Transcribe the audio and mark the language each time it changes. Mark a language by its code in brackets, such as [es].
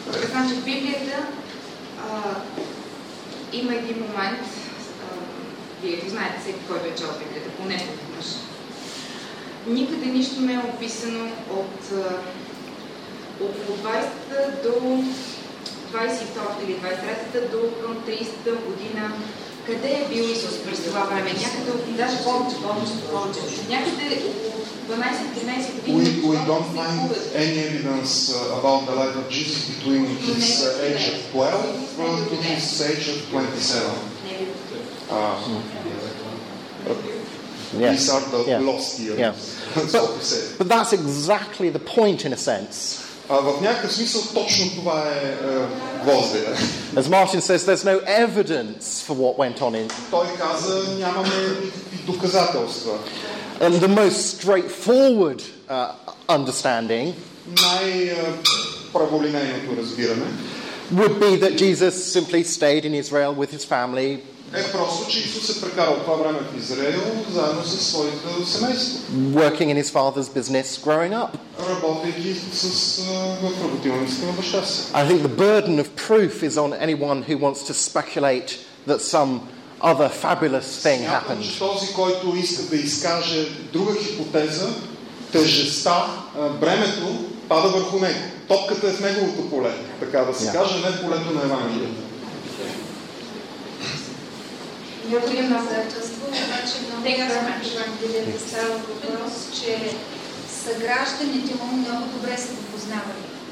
[bg] Значи в Библията има един момент, вие го знаете всеки, който е чел Библията, поне веднъж. Никъде нищо не е описано от около 20-та до 22-та или 23-та до към 30-та година. Къде е бил Исус през това време? Някъде, даже повече. Някъде около 12-13 години. [en] We don't find any evidence about the life of Jesus between his age of 12 and to his age of 27. These are the lost years, so to say. But that's exactly the point, in a sense. [bg] В някакъв смисъл точно това е гвоздея. [en] As Martin says, there's no evidence for what went on in. [bg] Той каза, нямаме никакви доказателства. [en] And the most straightforward understanding, [bg] най-праволинейното разбиране, [en] would be that Jesus simply stayed in Israel with his family. [bg] Е просто, че Исус се прекарал това време в Израел заедно със своето семейство. [en] Working in his father's business growing up. [bg] Работейки в работилницата на баща си. [en] I think the burden of proof is on anyone who wants to speculate that some other fabulous thing happened. [bg] Смятам, този, който иска да изкаже друга хипотеза, тежеста, бремето пада върху него. Топката е в неговото поле, така да се каже, не в полето на Евангелието. Някои има свидетелство, обаче много Евангелието става въпрос, че съгражданите му много добре са го познавали.